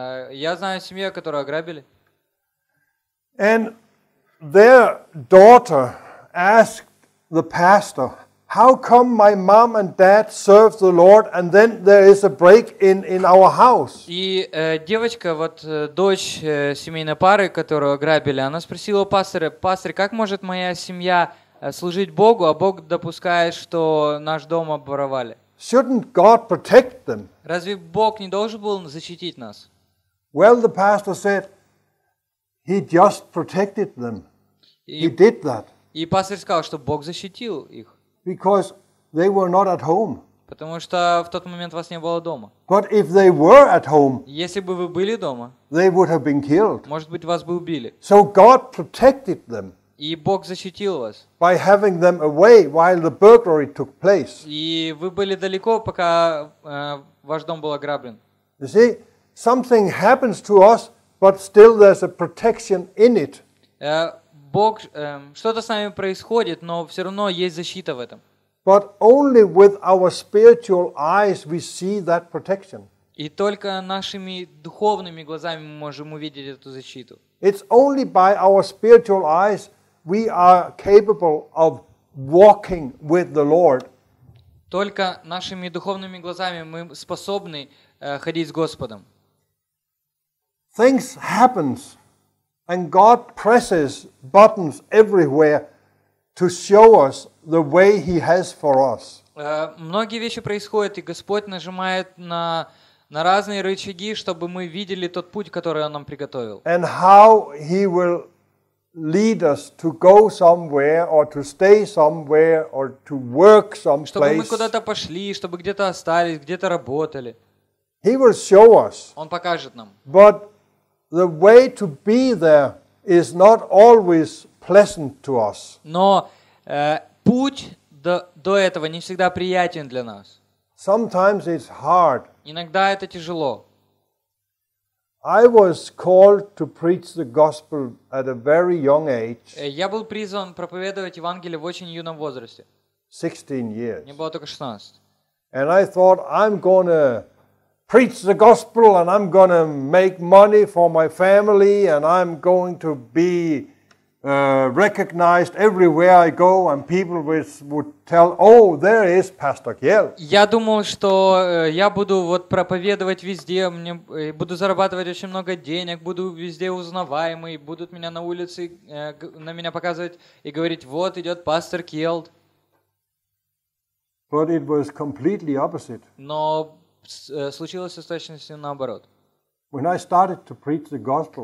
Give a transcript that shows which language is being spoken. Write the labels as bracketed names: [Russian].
[Russian] Я знаю семью, которую ограбили. [English] And their daughter asked the pastor, "How come my mom and dad serve the Lord, and then there is a break in our house?" [Russian] И девочка, вот дочь семейной пары, которую ограбили, она спросила пастора: "Пастор, как может моя семья служить Богу, а Бог допускает, что наш дом обворовали?" [English] Shouldn't God protect them? [Russian] Разве Бог не должен был защитить нас? [English] Well, the pastor said. He just protected them. He did that. [Russian] И пастор сказал, что Бог защитил их. [English] Because they were not at home. [Russian] Потому что в тот момент вас не было дома. [English] But if they were at home, [Russian] если бы вы были дома, [English] they would have been killed. [Russian] Может быть, вас бы убили. [English] So God protected them. [Russian] И Бог защитил вас. [English] By having them away while the burglary took place. [Russian] И вы были далеко, пока ваш дом был ограблен. [English] You see, something happens to us. But still, there's a protection in it. [Russian] Бог, что-то с нами происходит, но все равно есть защита в этом. [English] But only with our spiritual eyes we see that protection. [Russian] И только нашими духовными глазами мы можем увидеть эту защиту. [English] It's only by our spiritual eyes we are capable of walking with the Lord. [Russian] Только нашими духовными глазами мы способны ходить с Господом. [English] Things happen, and God presses buttons everywhere to show us the way He has for us. [Russian] Многие вещи происходят, и Господь нажимает на разные рычаги, чтобы мы видели тот путь, который Он нам приготовил. [English] And how He will lead us to go somewhere, or to stay somewhere, or to work someplace. [Russian] Чтобы мы куда-то пошли, чтобы где-то остались, где-то работали. [English] He will show us. [Russian] Он покажет нам. [English] But the way to be there is not always pleasant to us. [Russian] Но путь до этого не всегда приятен для нас. [English] Sometimes it's hard. [Russian] Иногда это тяжело. [English] I was called to preach the gospel at a very young age. [Russian] Я был призван проповедовать Евангелие в очень юном возрасте. [English] 16 years. [Russian] Мне было только 16. [English] And I thought I'm gonna preach the gospel and I'm going to make money for my family and I'm going to be recognized everywhere I go and people would tell, oh, there is Pastor Кельт. [Russian] Я думал, что я буду вот проповедовать везде, мне буду зарабатывать очень много денег, буду везде узнаваемый, будут меня на улице на меня показывать и говорить, вот идет пастор Кельт. [English] But it was completely opposite. [Russian] Но случилось с точностью наоборот. [English] When I started to preach the gospel,